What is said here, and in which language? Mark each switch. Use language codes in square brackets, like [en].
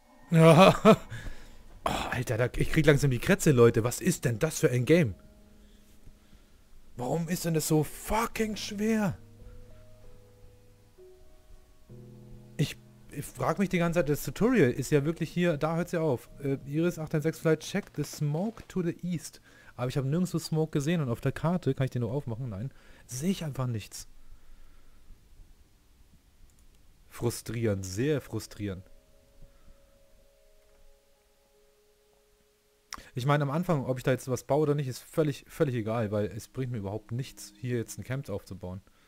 [de] Oh, Alter, ich krieg langsam die Krätze, Leute. Was ist denn das für ein Game? Warum ist denn das so fucking schwer? Ich frag mich die ganze Zeit, das Tutorial ist ja wirklich hier, da hört sie auf. [en] Iris 816 Flight, check the smoke to the east. [de] Aber ich habe nirgendwo Smoke gesehen und auf der Karte, kann ich den nur aufmachen? Nein. Sehe ich einfach nichts. Frustrierend, sehr frustrierend. Ich meine, am Anfang, ob ich da jetzt was baue oder nicht, ist völlig egal, weil es bringt mir überhaupt nichts, hier jetzt ein Camp aufzubauen.